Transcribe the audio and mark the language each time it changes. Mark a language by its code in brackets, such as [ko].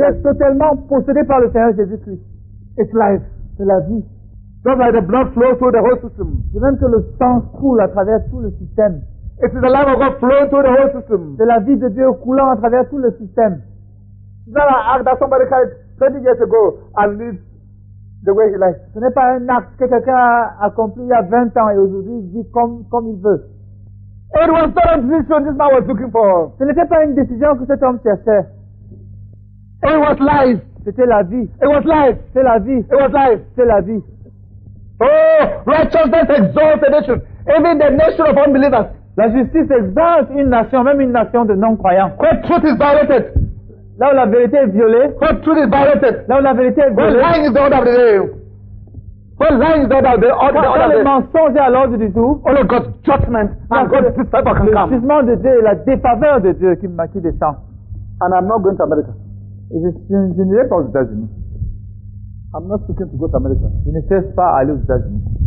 [fr] C'est totalement possédé par le Seigneur Jésus Christ. [en] It's life. [fr] C'est la vie. [en] Just like the blood flows through the whole system. [fr] De même que le sang coule à travers tout le système. [en] It is the life of God flowing through the whole system. [fr] C'est la vie de Dieu coulant à travers tout le système. [en] It's not an act that somebody carried 20 years ago and lived the way he likes. [fr] Ce n'est pas un acte que quelqu'un a accompli il y a 20 ans et aujourd'hui il vit comme il veut. [en] It was not a decision this man was looking for. [fr] Ce n'était pas une décision que cet homme cherchait. [en] It was life. [fr] C'était la vie. [en] It was life. [fr] C'est la vie. [en] It was life. [fr] C'est la vie. [en] Oh, righteousness exalts a nation, even the nation of unbelievers. [fr] La justice exalte une nation, même une nation de non-croyants. [en] Where truth is violated. [fr] Là où la vérité est violée. [en] Where truth is violated. [fr] Là où la vérité est violée. [en] Where lying is the order of the day. Where lying is the order of the day. [fr] Quand le mensonge est à l'ordre du jour. [en] Oh, God's judgment and God's disciple can come. [fr] Le jugement de Dieu et la défaveur de Dieu qui descend. [en] And I'm not going to America. [fr] Et je ne vais pas aux États-Unis. [en] I'm not seeking to go to America. [fr] Je ne cherche pas à aller aux États-Unis.